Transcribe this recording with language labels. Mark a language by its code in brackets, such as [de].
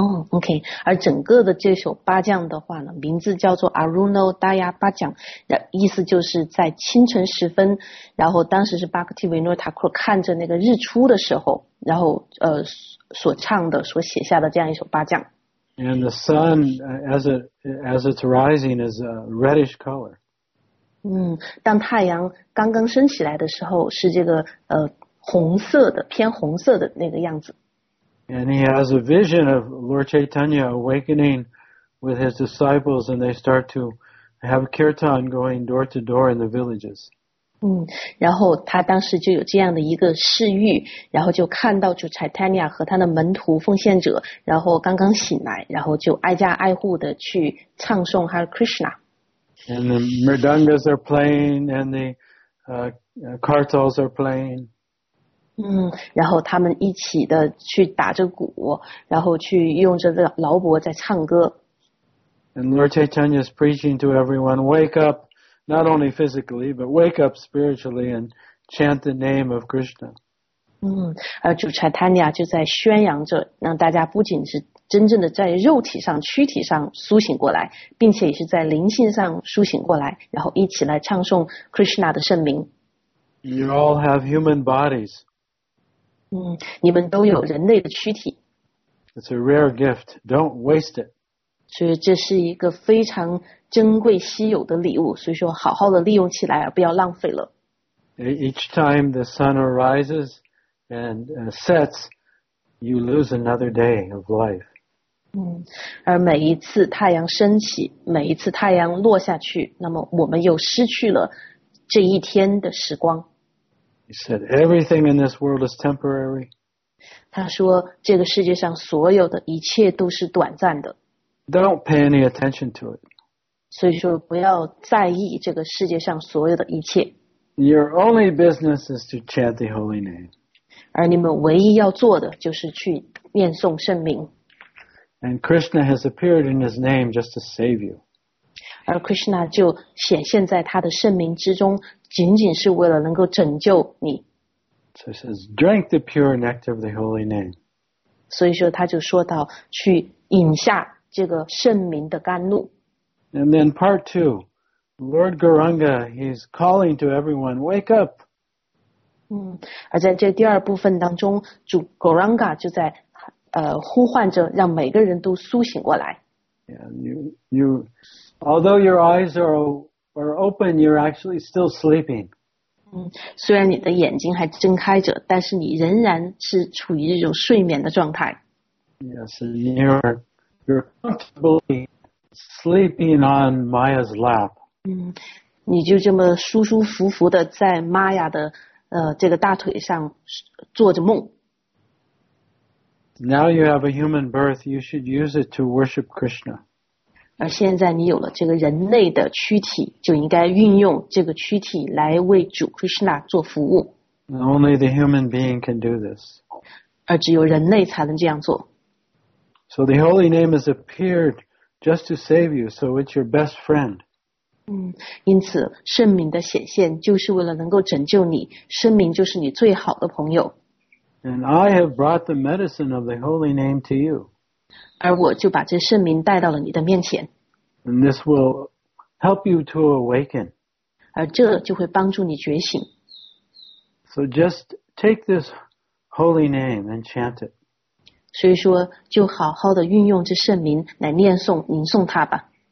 [zh] OK, 而整个的这首八将的话呢，名字叫做 Arunodaya Bhajan, 意思就是在清晨时分，然后当时是 Bhaktivinoda Thakur 看着那个日出的时候，然后所唱的所写下的这样一首八将。 [en] And the sun as it's rising is a reddish color. [zh] 当太阳刚刚升起来的时候，是这个红色的，偏红色的那个样子。 [en] And he has a vision of Lord Chaitanya awakening with his disciples, and they start to have kirtan going door to door in the villages. [zh] 然后他当时就有这样的一个视域，然后就看到主 Chaitanya 和他的门徒奉献者，然后刚刚醒来，然后就挨家挨户的去唱诵 Hare Krishna。 [en] And the mridangas are playing, and the kartals are playing. [zh] 然后他们一起的去打着鼓，然后去用着这劳钹在唱歌。 [en] And Lord Chaitanya is preaching to everyone, wake up, not only physically, but wake up spiritually and chant the name of Krishna. [zh] 而主 Chaitanya 就在宣扬着，让大家不仅是真正的在肉体上、躯体上苏醒过来，并且也是在灵性上苏醒过来，然后一起来唱诵 Krishna 的圣名。 [en] You all have human bodies. [zh] 你们都有人类的躯体。 [en] It's a rare gift. Don't waste it. [zh] 所以这是一个非常珍贵稀有的礼物，所以说好好的利用起来，不要浪费了。 [en] Each time the sun arises and sets,You lose another day of life. [zh] 而每一次太阳升起，每一次太阳落下去，那么我们又失去了这一天的时光。 [en] He said, "Everything in this world is temporary." [zh] 他说，这个世界上所有的一切都是短暂的。 [en] Don't pay any attention to it. [zh] 所以说，不要在意这个世界上所有的一切。 [en] Your only business is to chant the holy name. [zh] 而你们唯一要做的就是去念诵圣名。 [en] And Krishna has appeared in his name just to save you. [zh] 而 Krishna 就显现在他的圣名之中，仅仅是为了能够拯救你。 [en] So he says, drink the pure nectar of the holy name. [zh] 所以说他就说到去饮下这个圣名的甘露。 [en] And then part two, Lord Gauranga, he's calling to everyone, wake up. [zh] 而在这第二部分当中，主 Gauranga 就在呼唤着，让每个人都苏醒过来。 [en] Yeah, although your eyes are open, you're actually still sleeping. [zh] 虽然你的眼睛还睁开着，但是你仍然是处于一种睡眠的状态。 [en] Yes, and you're comfortably sleeping on Maya's lap. [zh] 你就这么舒舒服服的在 Maya 的这个大腿上做着梦。 [en] Now you have a human birth, you should use it to worship Krishna. [zh] 而现在你有了这个人类的躯体，就应该运用这个躯体来为主 Krishna 做服务。 [en] Only the human being can do this. [zh] 而只有人类才能这样做。 [en] So the holy name has appeared just to save you, so it's your best friend. [zh] 因此圣名的显现就是为了能够拯救你，圣名就是你最好的朋友。 [en] And I have brought the medicine of the holy name to you. [zh] 而我就把这圣名带到了你的面前。 [en] And this will help you to awaken. [zh] 而这就会帮助你觉醒。 [en] So just take this holy name and chant it. [zh] 所以说就好好的运用这圣名来念诵、吟诵它吧。